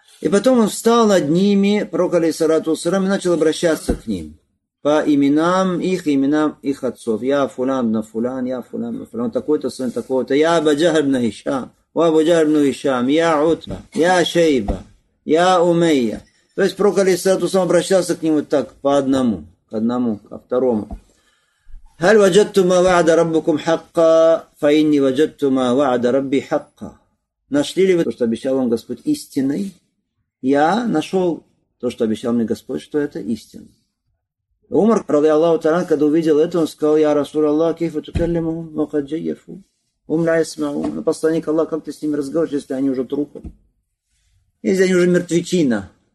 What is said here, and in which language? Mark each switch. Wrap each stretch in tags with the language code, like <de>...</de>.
<ru>И потом он встал над ними, пророк, алейхиссалату вассалям, и начал обращаться к ним по именам их, именам их отцов.</ru> <ar>Я фулян на фулян, я фулян на фулян,</ar> <ru>такой-то сын, такой-то. Я Абу Джахль ибн Хишам, я Абу Джахль ибн Хишам, я Утба, я Шейба, я Умейя. То есть пророк, алейхиссалату вассалям, обращался к ним вот так, по одному, ко второму.</ru> <ar>هل وجدتم ما وعد ربكم حقا فإني وجدت ما وعد ربي حقا.</ar> <ru>Нашли ли вы то, что обещал вам Господь истиной? Я нашел то, что обещал мне Господь, что это истина. Умар, радиаллаху та'ала, когда увидел это, он сказал:</ru> <ar>«Я Расул Аллах, кейфа тукаллиму, вакад джайяфу, ум ля ясмау».</ar> <ru>Но посланник Аллах, как ты с ними разговариваешь, если они уже трупы? Если они уже мертвечина?</ru>